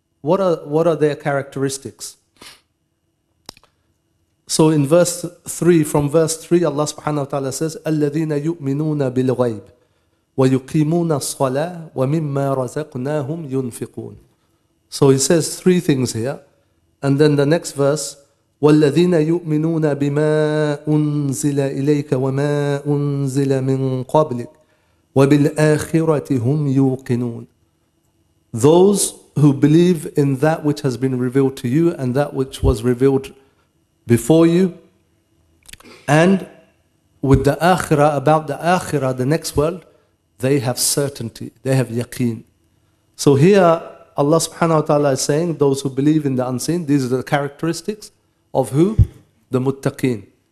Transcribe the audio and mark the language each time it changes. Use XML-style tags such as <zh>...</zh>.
<en>What are their characteristics? So in verse 3, from verse 3, Allah subhanahu wa ta'ala says,</en> <ar>أَلَّذِينَ يُؤْمِنُونَ بِالْغَيْبِ وَيُقِيمُونَ الصَّلَىٰ وَمِمَّا رَزَقْنَاهُمْ يُنْفِقُونَ.</ar> <en>So He says three things here. And then the next verse,</en> <ar>وَالَّذِينَ يُؤْمِنُونَ بِمَا أُنزِلَ إِلَيْكَ وَمَا أُنزِلَ مِنْ قَبْلِكَ وَبِالْآخِرَةِ هُمْ يُوقِنُونَ.</ar> <en>Those who believe in that which has been revealed to you and that which was revealed before you, and with the akhirah, about the akhirah, the next world, they have certainty, they have yaqeen. So here Allah subhanahu wa ta'ala is saying, those who believe in the unseen, these are the characteristics of who? The muttaqeen.</en>